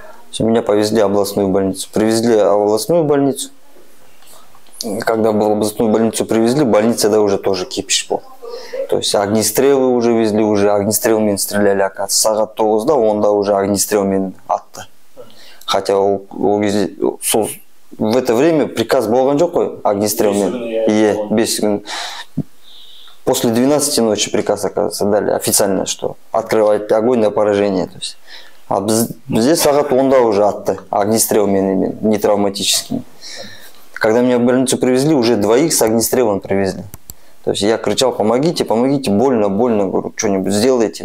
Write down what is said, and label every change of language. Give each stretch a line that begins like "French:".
Russian: Все, меня повезли в областную больницу. Привезли в областную больницу. И когда в областную больницу привезли, больница да уже тоже кипиш был. То есть огнестрелы уже везли, уже
Kazakh: огнестрелмен стреляли, оказывается, сағат 9-да, онда уже огнестрелмен атты.
Russian: Хотя в это время приказ болған жоқ қой, огнестрелмен. После 12 ночи приказ, оказывается, дали официально, что открывать огонь на поражение. То есть. А здесь сағат 10-да уже атты, огнестрелмен именно, нетравматическим. Когда меня в больницу привезли, уже двоих с огнестрелом привезли. То есть я кричал, помогите, помогите, больно, больно, говорю, что-нибудь сделайте.